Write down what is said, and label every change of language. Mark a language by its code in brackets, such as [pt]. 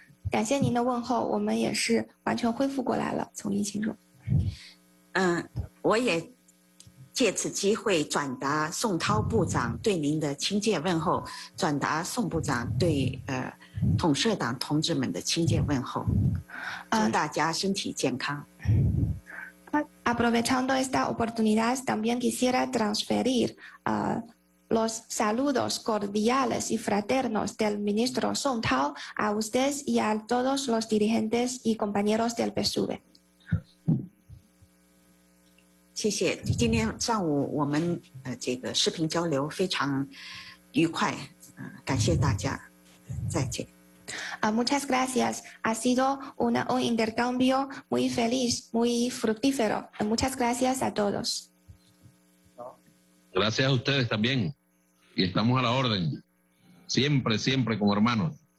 [zh] 感谢您的问候，我们也是完全恢复过来了，从疫情中。我也。借此机会转达宋涛部长对您的亲切问候，转达宋部长对统社党同志们的亲切问候，祝大家身体健康。 [es] Aprovechando esta oportunidad, también quisiera transferir los saludos cordiales y fraternos del ministro Song Tao a ustedes y a todos los dirigentes y compañeros del PSUV. [zh] 谢谢，今天上午我们这个视频交流非常愉快，感谢大家。再见。 [es] Muchas gracias. Ha sido un intercambio muy feliz, muy fructífero. Muchas gracias a todos. Gracias a ustedes también. Y estamos a la orden. Siempre, siempre como hermanos.